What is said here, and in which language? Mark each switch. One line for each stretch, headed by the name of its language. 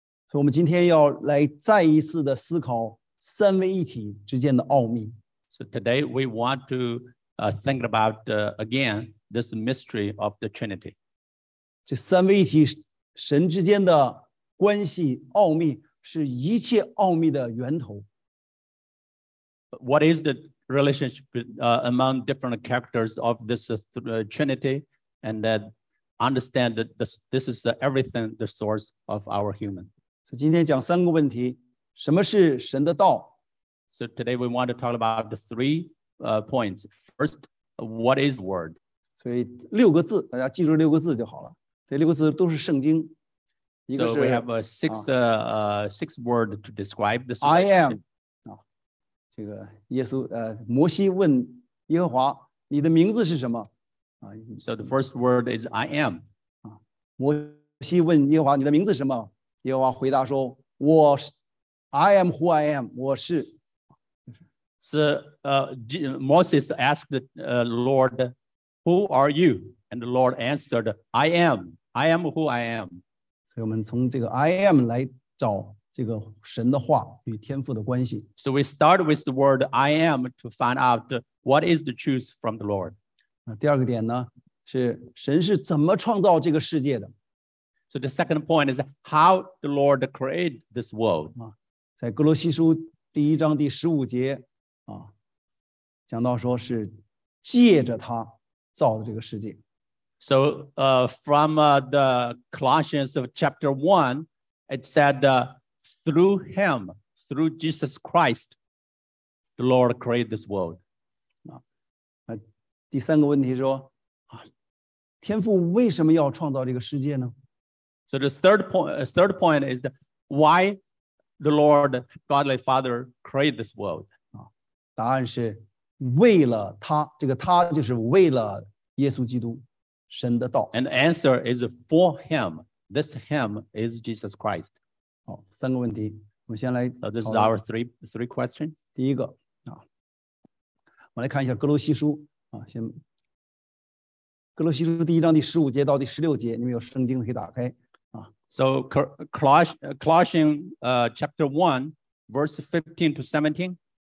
Chinese: 所以我们今天要来再一次的思考三位一体之间的奥秘。
English: So today we want to think about again this mystery of the Trinity.
Chinese: 这三位一体神之间的关系奥秘是一切奥秘的源头。
English: What is the relationship among different characters of this Trinity, and that understand that this is everything, the source of our human.
Chinese: So 今天讲三个问题，什么是神的道？
English: So today we want to talk about the three points. First, what is word?
Chinese: 所以六个字，大家记住六个字就好了。这六个字都是圣经。一个是
English: so we have a six six word to describe this. I am.
Chinese: 这个耶稣摩西问耶和华你的名字是什么、
English: So the first word is I am.
Chinese: 摩西问耶和华你的名字是什么，耶和华回答说我是
English: I am who I am,
Chinese: 我是。
English: So Moses asked the Lord, who are you? And the Lord answered, I am who I am.
Chinese: 所以我们从这个 I am 来找这个神的话与天父的关系。
English: So we start with the word I am to find out what is the truth from the Lord.
Chinese: 第二个点呢，是神是怎么创造这个世界的。
English: So the second point is how the Lord created this world.
Chinese: 在哥罗西书第一章第十五节啊，讲到说是借着他造的这个世界。
English: So from the Colossians of chapter 1, it said, through him, through Jesus Christ, the Lord created this world.
Chinese: 第三个问题说，天父为什么要创造这个世界呢？
English: So the third point is why the Lord, Godly Father, created this world.
Chinese: 答案是为了他，这个他就是为了耶稣基督，神的道。
English: And the answer is for him. This him is Jesus Christ.
Chinese: 好，三个问题，我们先来。
English: So this is our three questions.
Chinese: 第一个啊，我们来看一下哥罗西书啊，先哥罗西书第一章第十五节到第十六节，你们有圣经可以打开啊。
English: So Colossians chapter 1 verse 15 to 17.